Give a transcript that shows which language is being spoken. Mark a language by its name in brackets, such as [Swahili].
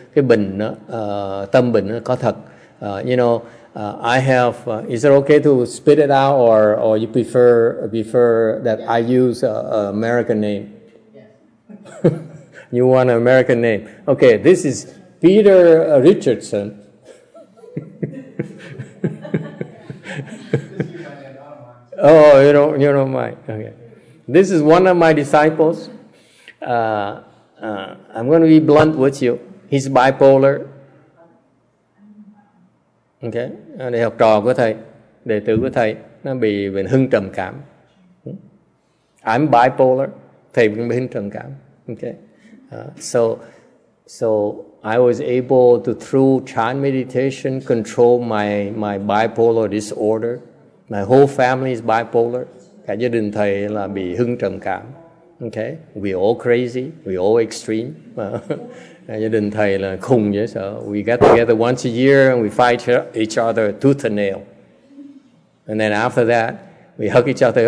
[Vietnamese] Cái bệnh đó, tâm bệnh đó có thật. [English] You know, I have. Is it okay to spit it out, or you prefer that I use an American name? Yeah. You want an American name? Okay, this is Peter Richardson. Oh, you don't mind. Okay, this is one of my disciples. I'm going to be blunt with you. He's bipolar. [Vietnamese] Okay, để học trò của thầy, đệ tử của thầy, nó bị bệnh hưng trầm cảm. [English] I'm bipolar, [Vietnamese] thầy cũng bị hưng trầm cảm. [English] Okay, so I was able to through Chan meditation control my bipolar disorder. My whole family is bipolar. [Vietnamese] Cả gia đình thầy là bị hưng trầm cảm. [English] Okay, we all crazy, we all extreme. [Vietnamese] Gia đình thầy là khùng dễ sợ. [English] We get together once a year and we fight each other tooth and nail. And then after that, we hug each other.